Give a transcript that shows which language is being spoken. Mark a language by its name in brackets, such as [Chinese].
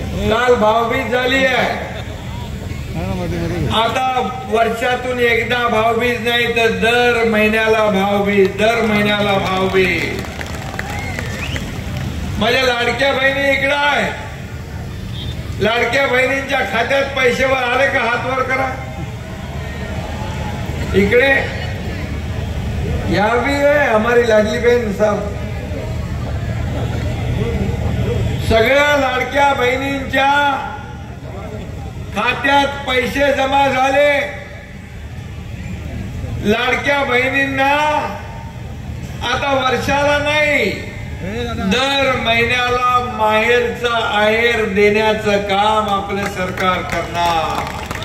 [Marathi] काल भावबीज झाली आहे, आता वर्षातून एकदा भावबीज नाही तर दर महिन्याला भावबीज, दर महिन्याला भावबीज। माझ्या लाडक्या बहिणी इकडं आहे, लाडक्या बहिणींच्या खात्यात पैसे वर आले का? हात वर करा इकडे। [Hindi] या भी है हमारी लाडली बहन साहब। [Marathi] सगळ्या लाडक्या बहिणींच्या खात्यात पैसे जमा झाले, लाडक्या बहिणींना आता वर्षाला नाही दर महिन्याला माहेरचा आहेर देण्याचं काम आपलं सरकार करणार।